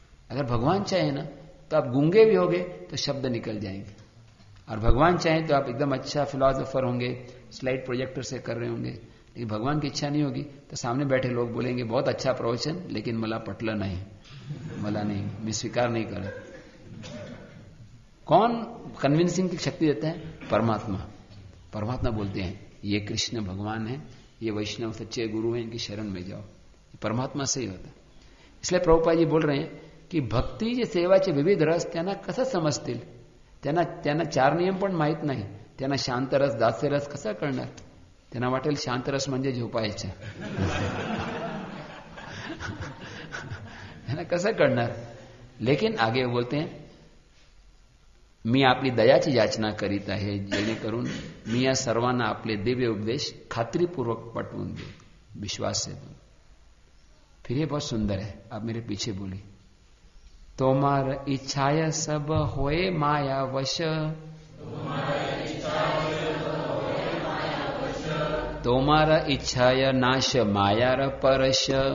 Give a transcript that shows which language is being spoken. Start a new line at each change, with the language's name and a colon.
Hindi: अगर भगवान चाहे ना तो आप गूंगे भी होगे तो शब्द निकल जाएंगे, और भगवान चाहे तो आप एकदम अच्छा फिलोसोफर होंगे, स्लाइड प्रोजेक्टर से कर रहे होंगे, लेकिन भगवान की इच्छा नहीं होगी तो सामने बैठे लोग बोलेंगे बहुत अच्छा प्रवचन लेकिन
Marathi: मला पटला नहीं, मला नहीं,
Hindi: मैं स्वीकार नहीं कर रहा। कौन कन्विंसिंग की शक्ति देता है? परमात्मा। परमात्मा बोलते हैं ये कृष्ण भगवान है, ये वैष्णव सच्चे गुरु हैं, इनकी शरण में जाओ, परमात्मा से ही होता है। इसलिए प्रभुपाद जी बोल रहे हैं कि
Marathi: भक्ति जे सेवा चे विविध रस त्यांना कसा समजतील, त्यांना चार नियम पण माहित नाही, त्यांना शांत रस दास्य रस कसा कळणार, त्यांना वाटेल शांत रस म्हणजे झोपायचं, त्यांना कसं कळणार।
Hindi: लेकिन आगे बोलते हैं,
Marathi: मी आपली दयाची याचना करीत आहे जेणेकरून मी या सर्वांना आपले दिव्य उपदेश खात्रीपूर्वक पटवून दे,
Hindi: विश्वास से दू। फिर ये बहुत सुंदर है, आप मेरे पीछे बोली,
Bangla: तोमार इच्छाय सब होए माया वश, तोमार इच्छाय नाश माया र परश।